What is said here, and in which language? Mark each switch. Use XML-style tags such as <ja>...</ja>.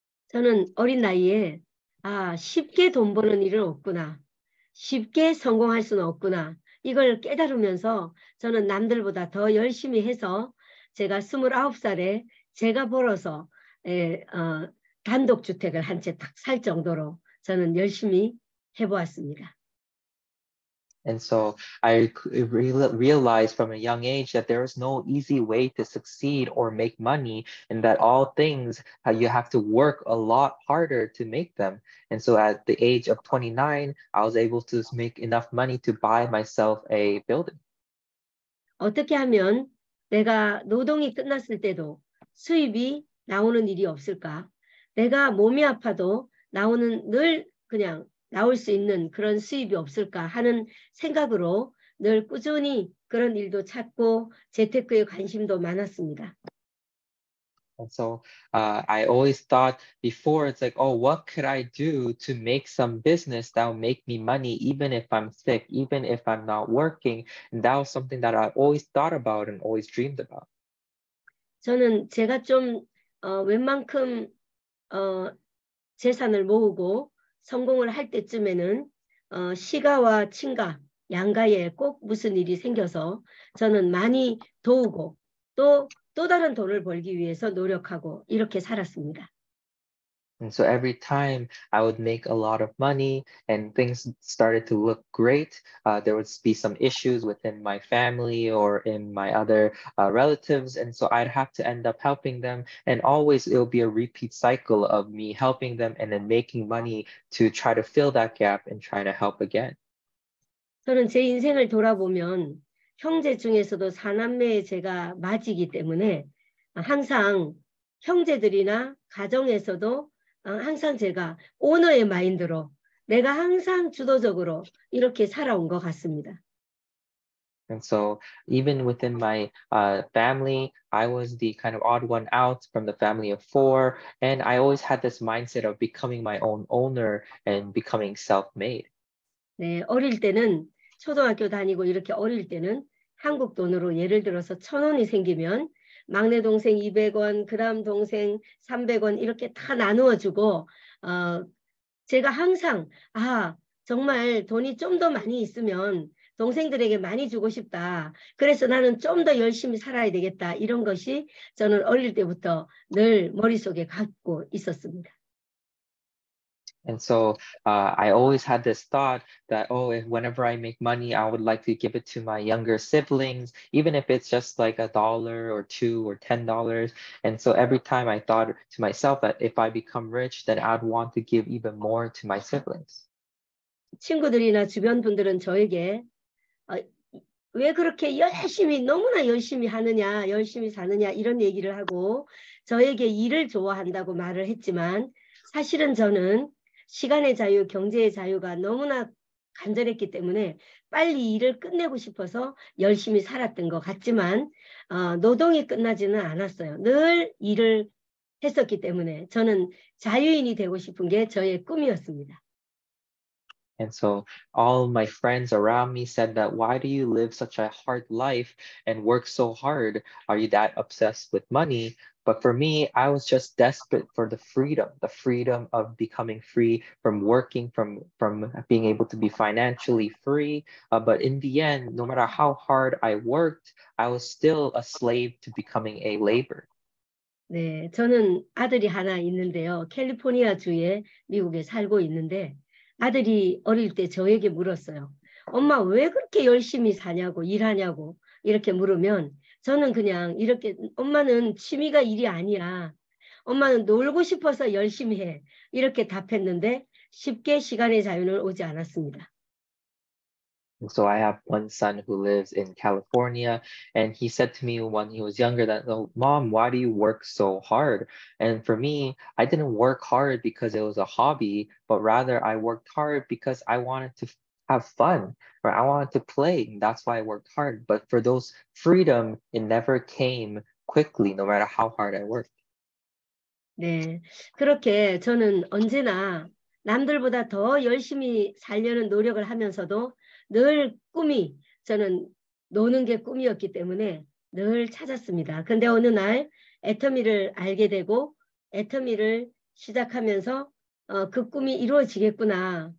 <ko>저는 어린 나이에 아 쉽게 돈 버는 일은 없구나, 쉽게 성공할 수는 없구나 이걸 깨달으면서 저는 남들보다 더 열심히 해서 제가 29살에 제가 벌어서 단독 주택을 한 채 딱 살 정도로 저는 열심히 해보았습니다.</ko> <en>And so I realized from a young age that there is no easy way to succeed or make money and that all things, you have to work a lot harder to make them. And so at the age of 29, I was able to make enough money to buy myself a building.</en> <ko>어떻게 하면 내가 노동이 끝났을 때도 수입이 나오는 일이 없을까? 내가 몸이 아파도 나오는 늘 그냥 나올 수 있는 그런 수입이 없을까 하는 생각으로 늘 꾸준히 그런 일도 찾고 재테크에 관심도 많았습니다.</ko> <en>And so I always thought before, it's like, oh, what could I do to make some business that will make me money even if I'm sick, even if I'm not working? And that was something that I always thought about and always dreamed about.</en> <ko>저는 제가 좀 웬만큼 재산을 모으고 성공을 할 때쯤에는 시가와 친가, 양가에 꼭 무슨 일이 생겨서 저는 많이 도우고 또 다른 돈을 벌기 위해서 노력하고 이렇게 살았습니다.</ko> <en>And so every time I would make a lot of money and things started to look great, there would be some issues within my family or in my other relatives. And so I'd have to end up helping them. And always it'll be a repeat cycle of me helping them and then making money to try to fill that gap and try to help again.</en> <ko>저는 제 인생을 돌아보면 형제 중에서도 4남매의 제가 맏이기 때문에 항상 형제들이나 가정에서도 항상 제가 오너의 마인드로 내가 항상 주도적으로 이렇게 살아온 것 같습니다.</ko> <en>And so even within my family, I was the kind of odd one out from the family of four, and I always had this mindset of becoming my own owner and becoming self-made.</en> <ko>네, 어릴 때는 초등학교 다니고 이렇게 어릴 때는 한국 돈으로 예를 들어서 1,000원이 생기면 막내 동생 200원, 그다음 동생 300원 이렇게 다 나누어 주고 제가 항상 아, 정말 돈이 좀 더 많이 있으면 동생들에게 많이 주고 싶다. 그래서 나는 좀 더 열심히 살아야 되겠다. 이런 것이 저는 어릴 때부터 늘 머릿속에 갖고 있었습니다.</ko> <en>And so I always had this thought that, oh, if whenever I make money, I would like to give it to my younger siblings, even if it's just like a dollar or two or $10. And so every time I thought to myself that if I become rich, then I'd want to give even more to my siblings.</en> <ko>친구들이나 주변 분들은 저에게 왜 그렇게 열심히, 너무나 열심히 하느냐, 열심히 사느냐 이런 얘기를 하고 저에게 일을 좋아한다고 말을 했지만 사실은 저는 시간의 자유, 경제의 자유가 너무나 간절했기 때문에 빨리 일을 끝내고 싶어서 열심히 살았던 것 같지만 노동이 끝나지는 않았어요. 늘 일을 했었기 때문에 저는 자유인이 되고 싶은 게 저의 꿈이었습니다.</ko> <en>And so all my friends around me said that, why do you live such a hard life and work so hard? Are you that obsessed with money? But for me, I was just desperate for the freedom of becoming free from working, from being able to be financially free. But in the end, no matter how hard I worked, I was still a slave to becoming a laborer.</en> <ko>네, 저는 아들이 하나 있는데요. 캘리포니아 주에 미국에 살고 있는데 아들이 어릴 때 저에게 물었어요. 엄마 왜 그렇게 열심히 사냐고 일하냐고 이렇게 물으면 저는 그냥 이렇게 엄마는 취미가 일이 아니야. 엄마는 놀고 싶어서 열심히 해. 이렇게 답했는데 쉽게 시간의 자유는 오지 않았습니다.</ko> <en>So I have one son who lives in California, and he said to me when he was younger that, oh, mom, why do you work so hard? And for me, I didn't work hard because it was a hobby, but rather I worked hard because I wanted to have fun, or I wanted to play. That's why I worked hard. But for those freedom, it never came quickly, no matter how hard I worked.</en> <ko>네, 그렇게 저는 언제나 남들보다 더 열심히 살려는 노력을 하면서도 늘 꿈이 저는 노는 게 꿈이었기 때문에 늘 찾았습니다. 근데 어느 날 애터미를 알게 되고 애터미를 시작하면서 그 꿈이 이루어지겠구나.</ko>